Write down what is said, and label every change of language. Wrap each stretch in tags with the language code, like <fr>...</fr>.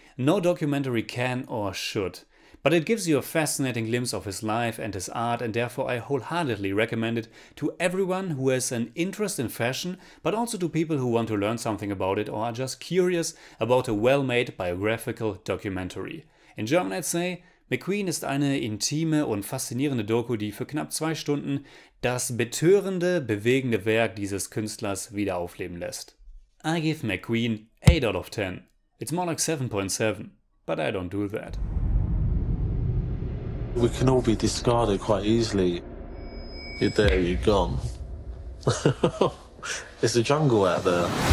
<en>No documentary can or should. But it gives you a fascinating glimpse of his life and his art, and therefore I wholeheartedly recommend it to everyone who has an interest in fashion, but also to people who want to learn something about it or are just curious about a well-made biographical documentary. In German I'd say,</en> <de>McQueen ist eine intime und faszinierende Doku, die für knapp 2 Stunden das betörende, bewegende Werk dieses Künstlers wieder aufleben lässt.</de> <en>I give McQueen 8 out of 10. It's more like 7.7, but I don't do that. We can all be discarded quite easily. You're there, you're gone. It's the jungle out there.</en>